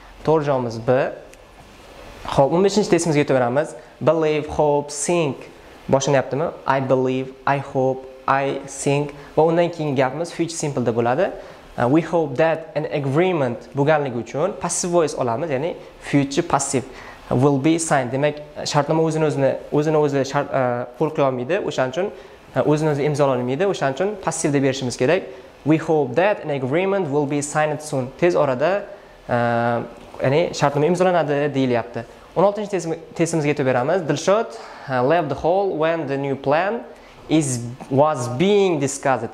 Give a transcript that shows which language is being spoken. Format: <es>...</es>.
<uz>To'g'ri javobimiz B. Xo'p, 15-chi testimizga o'tib beramiz.</uz> <en>Believe, hope, think.</en> <uz>Boshlanyaptimi?</uz> <en>I believe, I hope, I think.</en> <uz>Va undan keyingi gapimiz future simple da bo'ladi.</uz> <en>We hope that an agreement</en> <uz>bo'lganligi uchun</uz> <en>passive voice</en> <uz>olamiz, ya'ni</uz> <en>future passive will be signed.</en> <uz>Demak, shartnoma o'zini-o'zi shart qo'l qo'ya olmaydi. O'shaning uchun o'zini-o'zi imzola olmaydi. O'shaning uchun passive deb berishimiz kerak.</uz> <en>We hope that an agreement will be signed soon.</en> <uz>Tez orada ya'ni shartnoma imzolanadi deyilyapti. 16-chi testimizga o'tib beramiz.</uz> <en>Dilshod left the hall when the new plan was being discussed.</en>